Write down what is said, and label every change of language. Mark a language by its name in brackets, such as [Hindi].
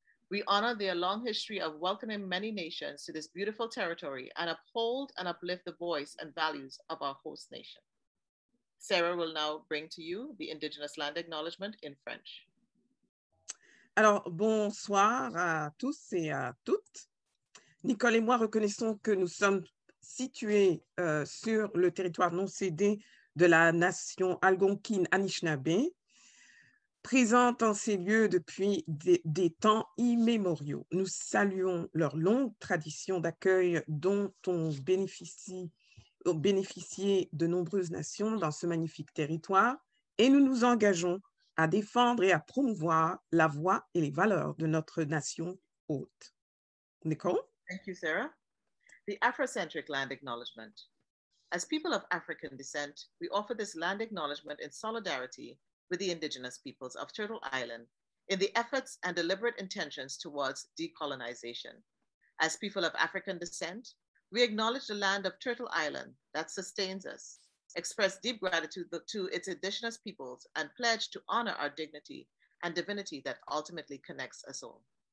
[English] We honor their long history of welcoming many nations to this beautiful territory and uphold and uplift the voice and values of our host nation. Sarah will now bring to you the Indigenous Land Acknowledgement in French. [French] Alors, bonsoir à tous et à toutes. Nicole et moi reconnaissons que nous sommes situés sur le territoire non cédé de la nation Algonquine Anishinaabe, présente en ces lieux depuis des temps immémoriaux. Nous saluons leur longue tradition d'accueil dont ont bénéficié de nombreuses nations dans ce magnifique territoire et nous nous engageons à défendre et à promouvoir la voix et les valeurs de notre nation hôte. Nicole? [English] Thank you, Sarah. The Afrocentric Land Acknowledgement. As people of African descent, we offer this land acknowledgement in solidarity with the Indigenous peoples of Turtle Island in the efforts and deliberate intentions towards decolonization. As people of African descent, we acknowledge the land of Turtle Island that sustains us, express deep gratitude to its Indigenous peoples, and pledge to honor our dignity and divinity that ultimately connects us all.